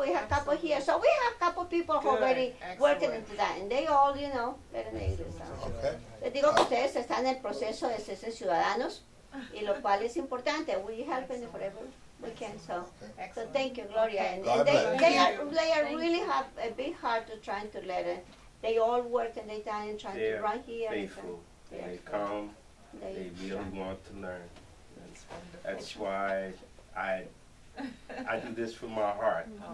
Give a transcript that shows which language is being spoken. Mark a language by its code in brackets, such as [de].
[en] We have a couple here, so we have a couple people who already excellent. Working into that, and they all, you know, they're in English. Okay. [es] Les digo que ustedes están en el proceso de ser ciudadanos, y lo cual es importante. [en] We help them forever. We can, so. Excellent. So thank you, Gloria, and they really have a big heart to trying to let it. They all work and they die and trying they're to run here. Faithful. And they come. They really want to learn. That's why I do this from my heart.